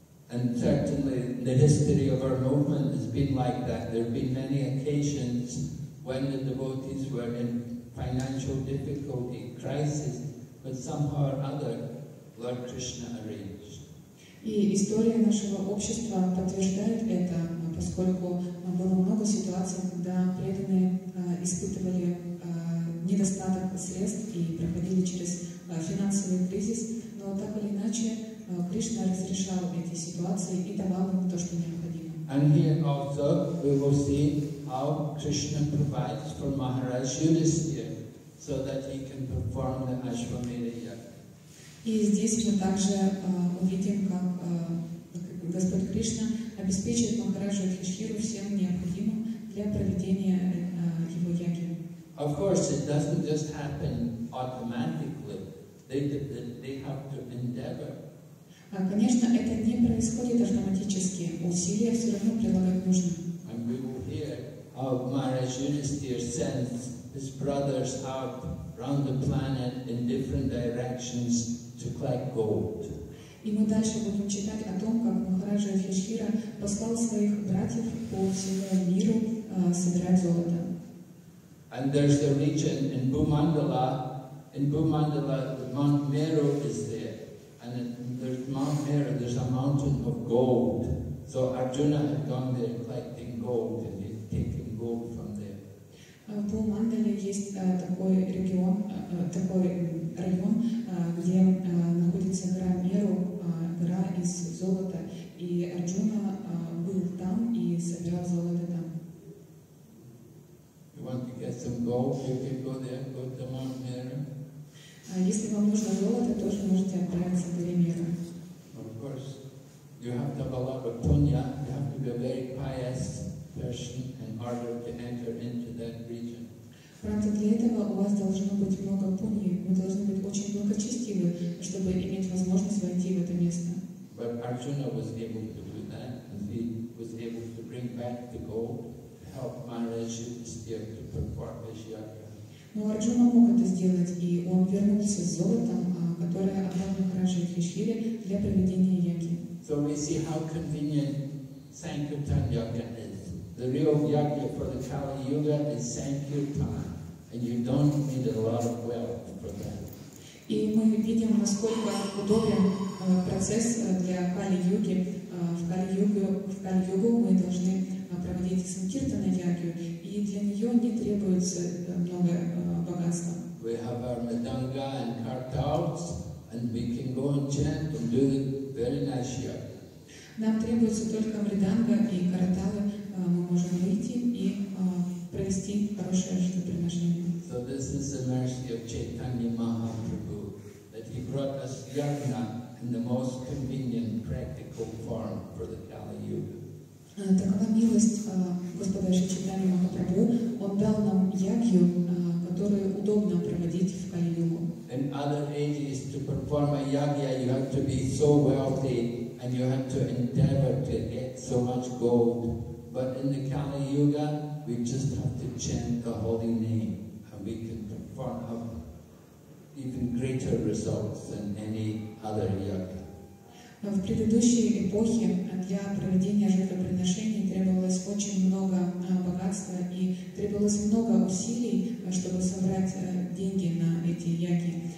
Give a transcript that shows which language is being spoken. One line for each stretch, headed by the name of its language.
English: And certainly the history of our movement has been like that. There have been many occasions when the devotees were in financial difficulty, crisis, but somehow or other, Lord Krishna arranged.
Russian: И история нашего общества подтверждает это, поскольку было много ситуаций, когда преданные испытывали недостаток средств и проходили через финансовый кризис, но так или иначе, Кришна разрешал эти ситуации и давал им то, что необходимо.
English: And here also we will see how Krishna provides for Maharaj Yudhisthira so that he can perform the Ashwamedha Yaga.
Russian: И здесь мы также увидим, как Господь Кришна обеспечит Махараджу Юдхиштхиру всем необходимым для проведения его яги.
English: Of course, it doesn't just happen automatically. They have to endeavor.
Russian: Конечно, это не происходит автоматически. Усилия все равно прилагать нужно.
English: And we will hear how Maharaj Yudhisthira sends his brothers out round the planet in different directions to collect gold.
Russian: И мы дальше будем читать о том, как Махараджа Юдхиштхира послал своих братьев по всему миру собирать золото.
English: And there's the region in Bhumandala. In Bhumandala, the Mount Meru is there. And in Mount Meru, there's a mountain of gold. So Arjuna had gone there collecting gold, and he'd taken gold from there.
Russian: В Бхумандале есть такой регион, такой район, где находится гора Меру, гора из золота. И Арджуна был там и собирал золото там.
English: You want to get some gold, you can go there, go to Mount Meru.
Russian: Если вам нужно золото, тоже можете отправиться в Меру.
English: Of course, you have to have a lot of punya, you have to be a very pious person in order to enter into that region.
Russian: Правда, для этого у вас должно быть много пуньи, вы должны быть очень благочестивы, чтобы иметь возможность войти в это место.
English: But Arjuna was able to do that, and he was able to bring back the gold to help Maharaja Yudhisthira to perform his yagya.
Russian: Но Арджуна мог это сделать, и он вернулся с золотом, которое отдал Махараджа Юдхиштхире для проведения яги.
English: So we see how convenient Sankirtan Yoga is. The real yagya for the Kali Yuga is Sankirtan, and you don't need a lot of wealth for that.
Russian: И мы видим, насколько удобен процесс для Кали-юги. В Кали-югу мы должны проводить Санкиртана-ягью, и для нее не требуется много богатства.
English: We have our Madanga and Kartals, and we can go and chant and do the very nice yoga.
Russian: Нам требуется только Мриданга и Карталы. Мы можем выйти и провести хорошее жертвоприношение.
English: So this is the mercy of Chaitanya Mahaprabhu, that he brought us yagna in the most convenient, practical form for the Kali Yuga.
Russian: Такова милость Господа Чайтаньи Махапрабху. Он дал нам ягью, которую удобно проводить в Кали Югу.
English: In other ages, to perform a yagya, you have to be so wealthy, and you have to endeavor to get so much gold. But in the Kali Yuga, we just have to chant the holy name. We can perform even greater results than any other yoga.
Russian: В предыдущей эпохе для проведения жертвоприношений требовалось очень много богатства и требовалось много усилий, чтобы собрать деньги на эти яги.